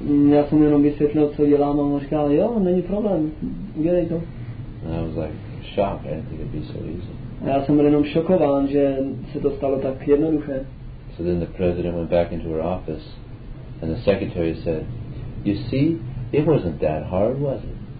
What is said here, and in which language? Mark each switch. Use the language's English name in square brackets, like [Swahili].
[Czech] Já jsem jenom vysvětlil, co dělám, a on říkal, jo, není problém, udělej to. [English] And I was like shocked, I didn't think it'd be so easy. [Czech] A já jsem byl jenom šokován, že se to stalo tak jednoduché. [English] So then the president went back into her office and the secretary said, you see, it wasn't that hard, was it?